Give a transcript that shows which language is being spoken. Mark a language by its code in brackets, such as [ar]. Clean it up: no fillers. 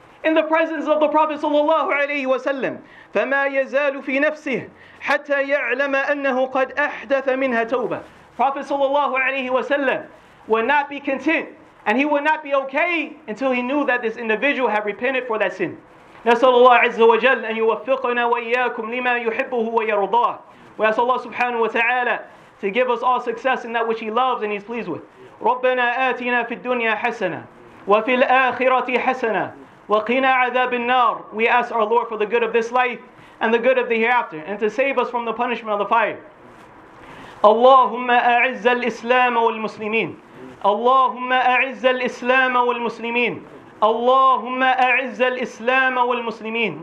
[en] in the presence of the Prophet [ar] sallallahu alayhi wa sallam, فَمَا يَزَالُ فِي نَفْسِهِ حَتَّى يَعْلَمَ أَنَّهُ قَدْ أَحْدَثَ مِنْهَا تَوْبَةً. [en] Prophet sallallahu alayhi wa sallam would not be content and he would not be okay until he knew that this individual had repented for that sin. [ar] نسأل الله عز وجل أن يوفقنا وإياكم لما يحبه ويرضاه. [en] We ask Allah subhanahu wa ta'ala to give us all success in that which He loves and He's pleased with. [ar] رَبَّنَا آتِنَا فِي الدُّنْيَا حَسَنَا وَفِي الْآخِرَةِ حَسَنَا وَقِنَا عَذَابِ النَّارِ. [en] We ask our Lord for the good of this life and the good of the hereafter and to save us from the punishment of the fire. [ar] اللهم أعز الإسلام والمسلمين. اللهم أعز الإسلام والمسلمين. اللهم أعز الإسلام والمسلمين.